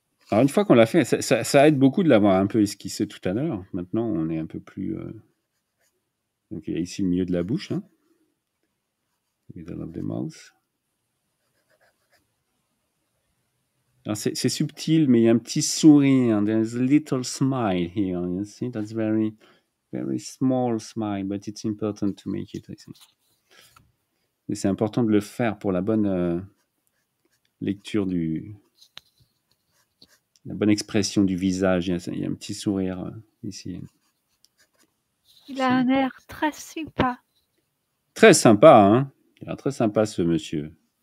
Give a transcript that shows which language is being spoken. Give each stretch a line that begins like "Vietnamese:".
French: Alors une fois qu'on l'a fait, ça aide beaucoup de l'avoir un peu esquissé tout à l'heure. Maintenant, on est un peu plus... Donc il y a ici le milieu de la bouche. Hein.
English: Middle of the mouth.
French: Alors c'est subtil, mais il y a un petit sourire.
English: There's a little smile here, you see? That's very, very small smile, but it's important to make it, I think.
French: Et c'est important de le faire pour la bonne lecture du... La bonne expression du visage, il y a un petit sourire ici. Il a un air très sympa. Très sympa, hein. Il a l'air très sympa ce monsieur.